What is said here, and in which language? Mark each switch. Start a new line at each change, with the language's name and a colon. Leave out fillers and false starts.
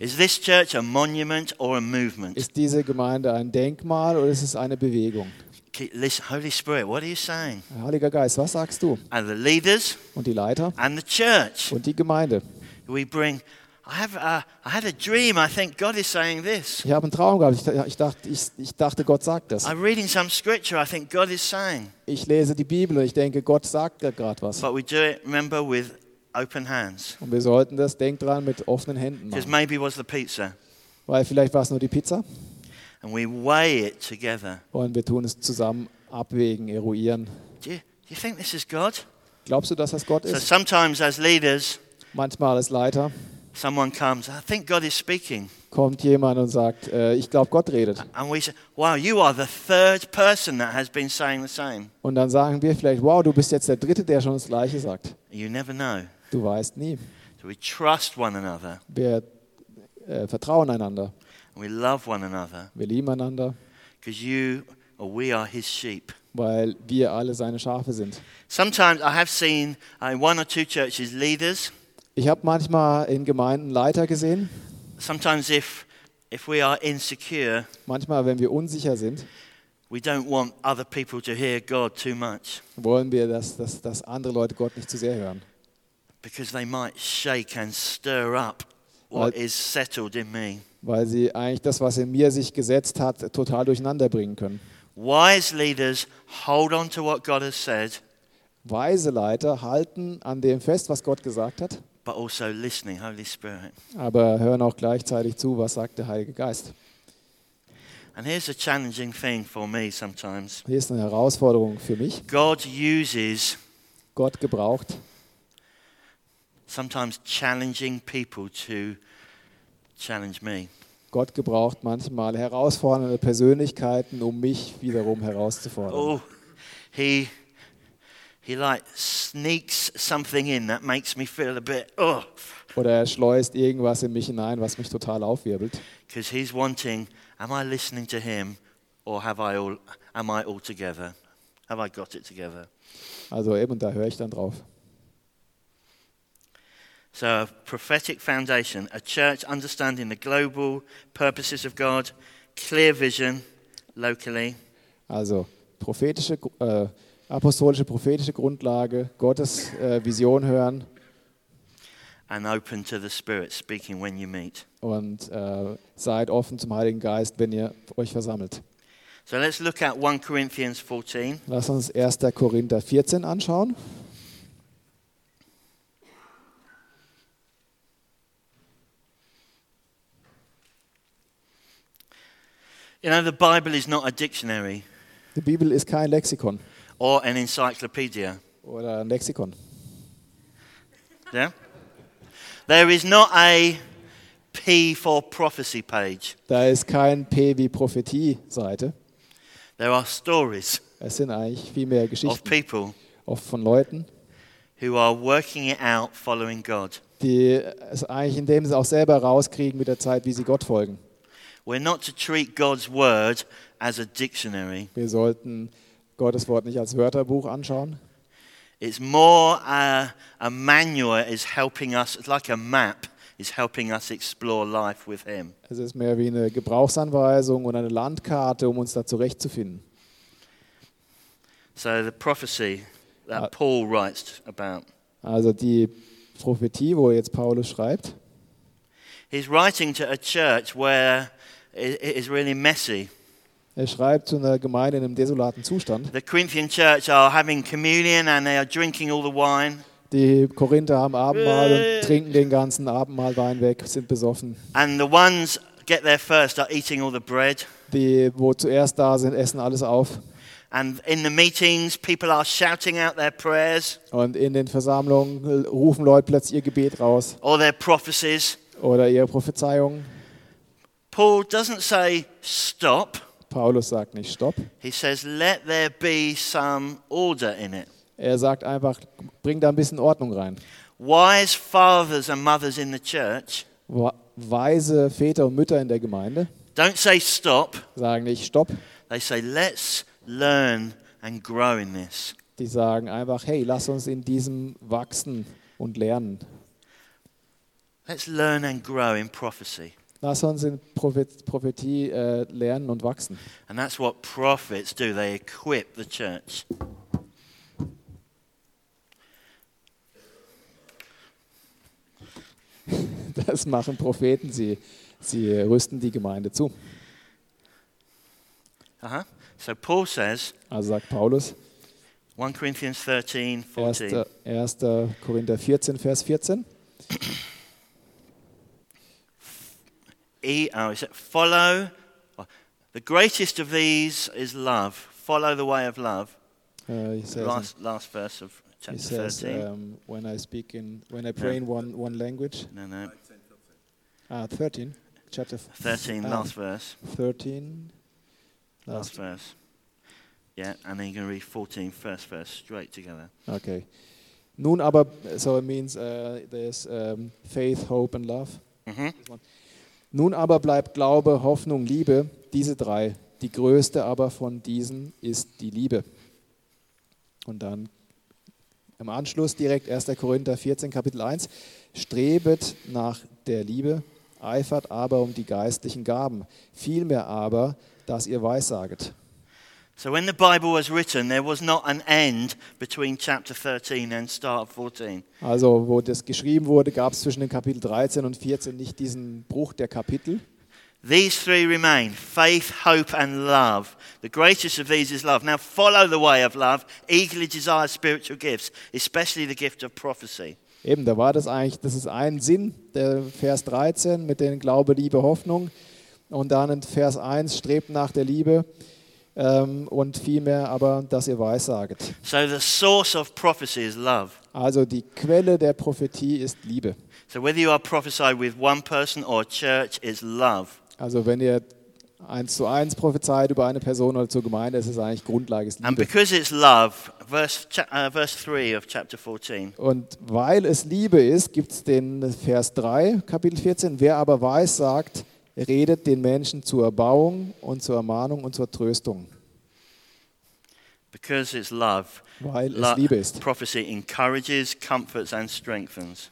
English: Is this church a monument or a movement?
German: Ist diese Gemeinde ein Denkmal oder ist es eine Bewegung?
English: Holy Spirit, what are you saying?
German: Heiliger Geist, was sagst du?
English: And the leaders.
German: Und die Leiter.
English: And the church.
German: Und die Gemeinde.
English: We bring. I had a dream. I think God is saying this.
German: Ich habe einen Traum gehabt. Ich dachte, Gott sagt das.
English: I'm reading some scripture. I think God is saying.
German: Ich lese die Bibel und ich denke, Gott sagt gerade was.
English: But we do it. Remember with open hands.
German: Und wir sollten das, denk dran, mit offenen Händen machen.
English: Because maybe it was the pizza.
German: Weil vielleicht war es nur die Pizza.
English: And we weigh it together.
German: Und wir tun es zusammen, abwägen, eruieren.
English: Do you think this is God?
German: Glaubst du, dass das Gott ist?
English: So sometimes as leaders,
German: manchmal als Leiter,
English: someone comes, I think God is speaking.
German: Kommt jemand und sagt, ich glaube, Gott redet.
English: And we say, wow, you are the third person that has been saying the same.
German: Und dann sagen wir vielleicht, wow, du bist jetzt der Dritte, der schon das Gleiche sagt.
English: You never know.
German: Du weißt nie.
English: So we trust one another.
German: Wir vertrauen einander.
English: We love one another.
German: Wir lieben einander.
English: Because you or we are his sheep.
German: Weil wir alle seine Schafe sind.
English: Sometimes I have seen one or two churches leaders.
German: Ich habe manchmal in Gemeinden Leiter gesehen.
English: Sometimes if we are insecure.
German: Manchmal, wenn wir unsicher sind.
English: We don't want other people to hear God too much.
German: Wollen wir, dass andere Leute Gott nicht zu sehr hören.
English: Because they might shake and stir up what is settled in me.
German: Weil sie eigentlich das, was in mir sich gesetzt hat, total durcheinander bringen können.
English: Wise leaders hold on to what God has said.
German: Weise Leiter halten an dem fest, was Gott gesagt hat.
English: But also listening, Holy Spirit.
German: Aber hören auch gleichzeitig zu, was sagt der Heilige Geist.
English: And here's a challenging thing for me sometimes.
German: Hier ist eine Herausforderung für mich.
English: God uses.
German: Gott gebraucht.
English: Sometimes challenging people to. Challenge me.
German: Gott gebraucht manchmal herausfordernde Persönlichkeiten, um mich wiederum herauszufordern.
English: Oh, he like sneaks something in that makes me feel a bit. Oh.
German: Oder er schleust irgendwas in mich hinein, was mich total aufwirbelt.
English: Because he's wanting, am I listening to him, or am I all together? Have I got it together?
German: Also eben, da höre ich dann drauf.
English: So a prophetic foundation, a church understanding the global purposes of God, clear vision locally.
German: Also prophetische apostolische prophetische Grundlage, Gottes Vision hören.
English: and open to the Spirit speaking when you meet.
German: Und seid offen zum Heiligen Geist, wenn ihr euch versammelt.
English: So let's look at 1 Corinthians 14.
German: Lass uns 1. Korinther 14 anschauen.
English: You know, the Bible is not a dictionary.
German: Die Bibel ist kein Lexikon.
English: Or an encyclopedia.
German: Oder ein Lexikon.
English: Yeah? There is not a P for prophecy page.
German: Da ist kein P wie Prophetie Seite.
English: There are stories.
German: Es sind eigentlich viel mehr Geschichten.
English: Of people.
German: Oft von Leuten.
English: Who are working it out following God.
German: Die es eigentlich in dem sie auch selber rauskriegen mit der Zeit, wie sie Gott folgen.
English: We're not to treat God's word as a dictionary.
German: Wir sollten Gottes Wort nicht als Wörterbuch anschauen.
English: It's more a manual is helping us, it's like a map is helping us explore life with him.
German: Es ist mehr wie eine Gebrauchsanweisung und eine Landkarte, um uns da zurechtzufinden.
English: So the prophecy that Paul writes about.
German: Also die Prophetie, wo jetzt Paulus schreibt.
English: He's writing to a church where it is really messy.
German: Er schreibt zu einer Gemeinde in einem desolaten Zustand.
English: The Corinthian church are having communion and they are drinking all the wine.
German: Die Korinther haben Abendmahl und trinken den ganzen Abendmahlwein weg, sind besoffen.
English: And the ones get there first are eating all the bread.
German: Die, wo zuerst da sind, essen alles auf.
English: And in the meetings people are shouting out their prayers.
German: Und in den Versammlungen rufen Leute plötzlich ihr Gebet raus.
English: All their prophecies.
German: Oder ihre Prophezeiungen.
English: Paul doesn't say stop.
German: Paulus sagt nicht stopp.
English: He says let there be some order in it.
German: Er sagt einfach bring da ein bisschen Ordnung rein.
English: Wise fathers and mothers in the church.
German: Weise Väter und Mütter in der Gemeinde.
English: Don't say stop.
German: Sagen nicht stopp.
English: They say let's learn and grow in this.
German: Die sagen einfach hey, lass uns in diesem wachsen und lernen.
English: Let's learn and grow in prophecy.
German: Lass uns in Prophetie lernen und wachsen.
English: And that's what prophets do. They equip the church.
German: Das machen Propheten. Sie rüsten die Gemeinde zu.
English: Uh-huh. So Paul says.
German: Also sagt Paulus.
English: 1 Corinthians 13, 14.
German: 1. Korinther 14, Vers 14.
English: Follow the greatest of these is love. Follow the way of love. Last verse of chapter 13. Says, when I pray in one language. No, no. 13. Chapter 13. Last verse. 13. Last verse. Yeah, and then you're going to read 14, first verse, straight together. Okay.
German: Nun aber,
English: so it means there's faith, hope, and love. Mm-hmm.
German: Nun aber bleibt Glaube, Hoffnung, Liebe, diese drei. Die größte aber von diesen ist die Liebe. Und dann im Anschluss direkt 1. Korinther 14, Kapitel 1. Strebet nach der Liebe, eifert aber um die geistlichen Gaben, vielmehr aber, dass ihr weissaget.
English: So when the Bible was written, there was not an end between chapter 13 and start of 14.
German: Also, wo das geschrieben wurde, gab es zwischen den Kapitel 13 und 14 nicht diesen Bruch der Kapitel.
English: These three remain: faith, hope, and love. The greatest of these is love. Now follow the way of love, eagerly desire spiritual gifts, especially the gift of prophecy.
German: Eben, da war das eigentlich, das ist ein Sinn der Vers 13 mit den Glaube, Liebe, Hoffnung und dann in Vers 1 strebt nach der Liebe. Und vielmehr aber, dass ihr weissaget.
English: So the source of prophecy is love.
German: Also die Quelle der Prophetie ist Liebe.
English: So whether you are prophesying with one person or a church is love.
German: Also wenn ihr 1:1 prophezeit über eine Person oder zur Gemeinde, ist es eigentlich Grundlage ist Liebe.
English: And because it's love, verse 3 of chapter 14.
German: Und weil es Liebe ist, gibt es den Vers 3, Kapitel 14. Wer aber weissagt, redet den Menschen zur Erbauung und zur Ermahnung und zur Tröstung.
English: Because it's love.
German: Weil es Liebe ist.
English: Prophecy encourages, comforts and strengthens.